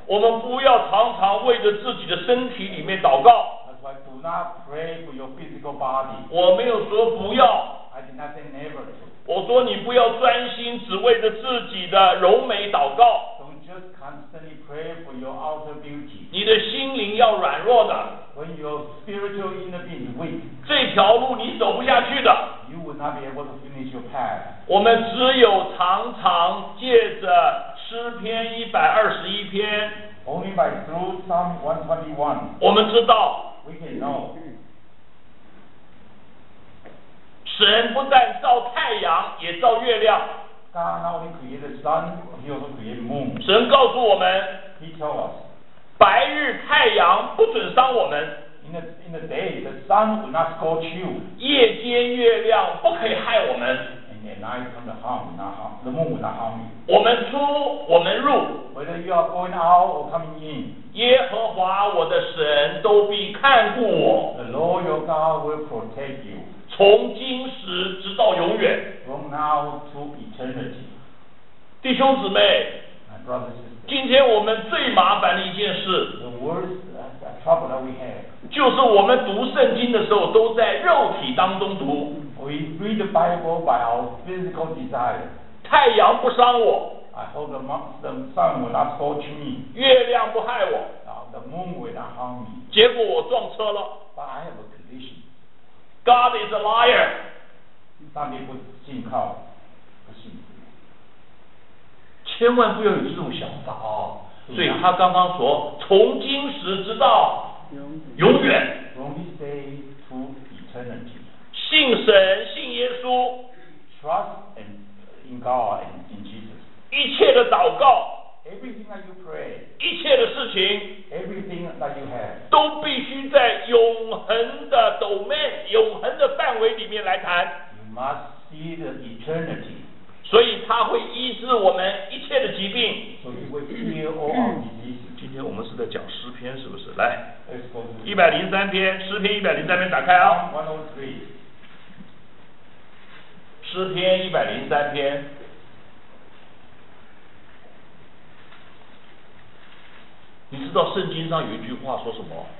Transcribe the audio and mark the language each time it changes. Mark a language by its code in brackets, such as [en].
[zh] 我们不要常常为着自己的身体里面祷告。 [en] That's why do not pray for your physical body. [zh] 我没有说不要。 [en] I did not say never. [zh] 我说你不要专心只为着自己的柔美祷告。 [en] Don't just constantly pray for your outer beauty. [zh] 你的心灵要软弱的。 [en] When your spiritual inner being is weak. [zh] 这条路你走不下去的。 [en] You will not be able to finish your path. [zh] 我们只有常常借着诗篇121篇 [en] Only by through Psalm 121. [zh] 我们知道 [en] We can know. [zh] 神不但照太阳也照月亮 [en] God not only created the sun, he also created moon. [zh] 神告诉我们 [en] He told us. [zh] 白日太阳不准伤我们 [en] In the day, the sun will not scorch you. [zh] 夜间月亮不可以害我们。 [en] And at night, the sun will not harm. The moon will not harm you. [zh] 我们出，我们入。 [en] Whether you are going out or coming in, [zh] 耶和华我的神都必看顾我。 [en] The Lord your God will protect you. [zh] 从今时直到永远。 [en] From now to eternity. [zh] 弟兄姊妹。 [en] My brothers. [zh] 今天我们最麻烦的一件事。 [en] The worst trouble that we have. [zh] 就是我们读圣经的时候都在肉体当中读 [en] We read the Bible by our physical desire [zh] 太阳不伤我 [en] I hope the sun will not scorch me [zh] 月亮不害我 [en] The moon will not harm me [zh] 结果我撞车了 [en] But I have a condition God is a liar [zh] 上帝不信靠不信千万不要有这种想法啊！所以他刚刚说从今时直到永远 [en] From this day to eternity. [zh] 信神信耶稣 [en] Trust in God and in Jesus [zh] 一切的祷告 [en] Everything that you pray [zh] 一切的事情 [en] Everything that you have [zh] 都必须在永恒的 domain 永恒的范围里面来谈 [en] You must see the eternity [zh] 所以他会医治我们一切的疾病 [en] So he will heal all our diseases [zh] 今天我们是在讲诗篇是不是来103篇，诗篇103篇，打开啊！诗篇103篇，你知道圣经上有一句话说什么？